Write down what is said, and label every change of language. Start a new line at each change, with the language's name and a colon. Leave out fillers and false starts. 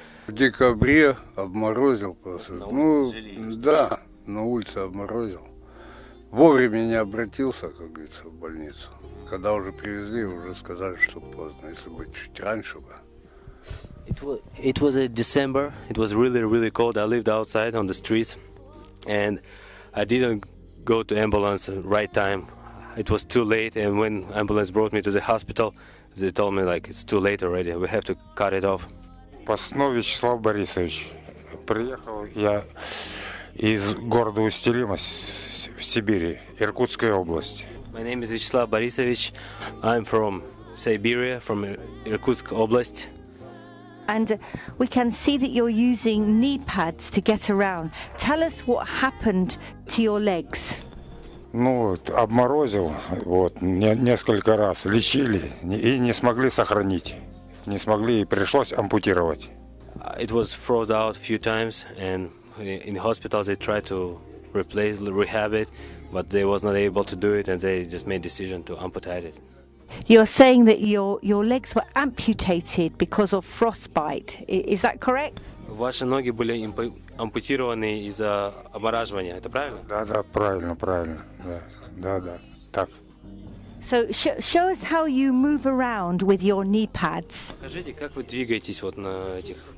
Russian: В декабре обморозил просто. Ну, да, на улице обморозил. Вовремя не обратился, как говорится, в больницу. Когда уже привезли, уже сказали, что поздно, если бы чуть раньше бы.
English: It was in December. It was really, really cold. I lived outside on the streets, and I didn't go to ambulance right time. It was too late, and when ambulance brought me to the hospital, they told me, like, it's too late already. We have to cut it off.
Russian: Поснов Вячеслав Борисович. Приехал я из города Усть-Илима в Сибири, Иркутская область.
English: My name is Vyacheslav Borisovich. I'm from Siberia, from Irkutsk Oblast. And we can see that you're using knee pads to get around. Tell us what happened to your legs.
Russian: Ну, обморозил, вот, несколько раз лечили и не смогли сохранить. Не смогли и пришлось ампутировать.
English: It was froze out a few times and in the hospital they tried to replace, rehab it. But they was not able to do it, and they just made decision to amputate it. You're saying that your legs were amputated because of frostbite. Is that correct?
Russian: Ваши ноги были ампутированы из-за обмораживания. Это правильно? Да, да, правильно, правильно. Да, да, так.
English: So show us how you move around with your knee pads.
Russian: Скажите, как вы двигаетесь вот на этих?